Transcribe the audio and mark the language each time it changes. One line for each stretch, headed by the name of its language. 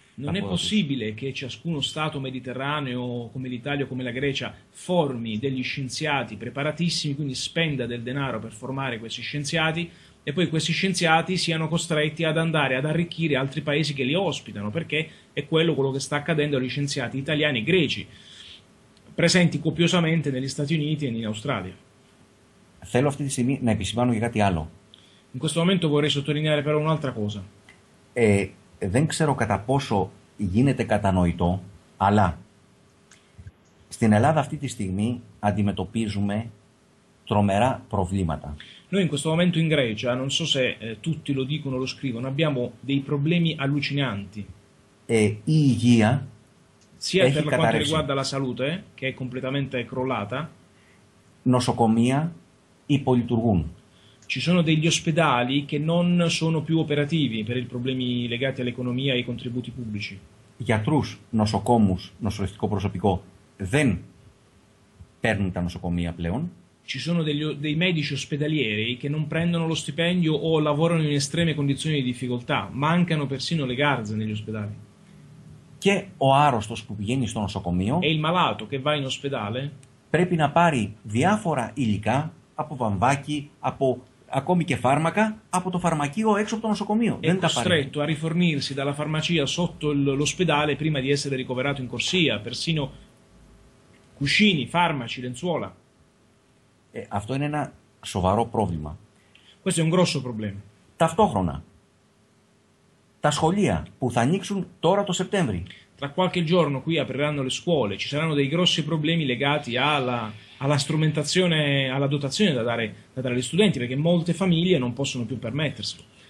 Italian: Non è possibile che ciascuno Stato mediterraneo, come l'Italia o come la Grecia, formi degli scienziati preparatissimi, quindi spenda del denaro per formare questi scienziati, e poi questi scienziati siano costretti ad andare ad arricchire altri paesi che li ospitano, perché è quello che sta accadendo agli scienziati italiani e greci, presenti copiosamente negli Stati Uniti e in Australia. In questo momento vorrei sottolineare però un'altra cosa.
Greek: Δεν ξέρω κατά πόσο γίνεται κατανοητό, αλλά στην Ελλάδα αυτή τη στιγμή αντιμετωπίζουμε τρομερά προβλήματα.
Italian: Noi in questo momento in Grecia, non so se tutti lo dicono o lo scrivono, abbiamo dei problemi allucinanti.
Greek: Η υγεία
Italian: sia
Greek: έχει
Italian: per
Greek: καταρρεύσει.
Italian: Quanto riguarda la salute, che è completamente crollata.
Greek: Νοσοκομεία υπολειτουργούν.
Italian: Ci sono degli ospedali che non sono più operativi per i problemi legati all'economia e ai contributi pubblici.
Greek: Γιατρούς, νοσοκόμους, νοσηλευτικό προσωπικό δεν παίρνουν τα νοσοκομεία πλέον.
Italian: Ci sono dei medici ospedalieri che non prendono lo stipendio o lavorano in estreme condizioni di difficoltà. Mancano persino le garze negli ospedali.
Greek: Και ο άρρωστος που πηγαίνει στο νοσοκομείο
Italian: e il malato che va in ospedale
Greek: πρέπει να πάρει διάφορα υλικά από βαμβάκι, από ακόμη και φάρμακα, από το φαρμακείο έξω από το νοσοκομείο.
Italian: È costretto a rifornirsi dalla farmacia sotto l'ospedale prima di essere ricoverato in corsia, persino cuscini, farmaci, lenzuola.
Greek: Αυτό είναι ένα σοβαρό πρόβλημα.
Italian: Questo è un grosso problema.
Greek: Ταυτόχρονα, τα σχολεία που θα ανοίξουν τώρα το Σεπτέμβρη.
Italian: Tra qualche giorno qui apriranno le scuole, ci saranno dei grossi problemi legati alla strumentazione, alla dotazione da dare agli studenti, perché molte famiglie non possono più permetterselo.